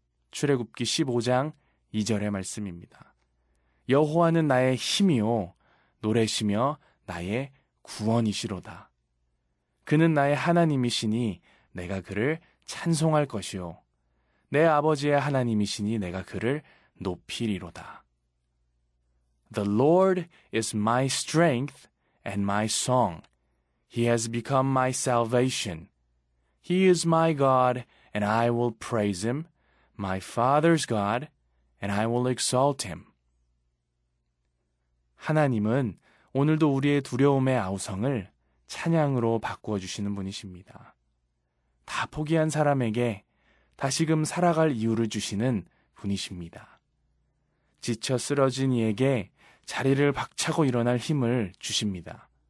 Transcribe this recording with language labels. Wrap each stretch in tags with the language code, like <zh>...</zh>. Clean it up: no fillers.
<ko>출애굽기 15장 2절의 말씀입니다. 여호와는 나의 힘이요 노래시며 나의 구원이시로다. 그는 나의 하나님이시니 내가 그를 찬송할 것이요 내 아버지의 하나님이시니 내가 그를 높이리로다.</ko> <en>The Lord is my strength and my song. He has become my salvation. He is my God, and I will praise him, my father's God, and I will exalt him.</en> <ko>하나님은 오늘도 우리의 두려움의 아우성을 찬양으로 바꾸어 주시는 분이십니다. 다 포기한 사람에게 다시금 살아갈 이유를 주시는 분이십니다. 지쳐 쓰러진 이에게 자리를 박차고 일어날 힘을 주십니다.</ko>